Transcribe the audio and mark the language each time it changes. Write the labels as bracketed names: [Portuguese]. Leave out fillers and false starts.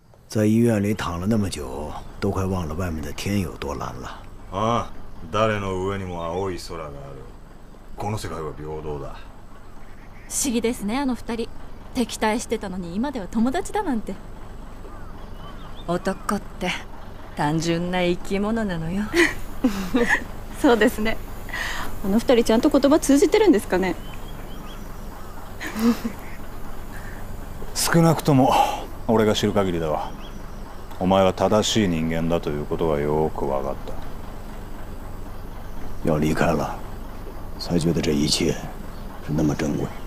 [Chinese] 在医院里躺了那么久，都快忘了外面的天有多蓝了。 [Japanese] ああ、誰の上にも青い空がある。この世界は平等だ。不思議ですね、あの二人。敵対してたのに今では友達だなんて。男って。単純な生き物なのよ。そうですね。あの二人ちゃんと言葉通じてるんですかね。少なくとも俺が知る限りだわ。お前は正しい人間だということがよく分かった。 [Chinese] 要离开了才觉得这一切是那么珍贵。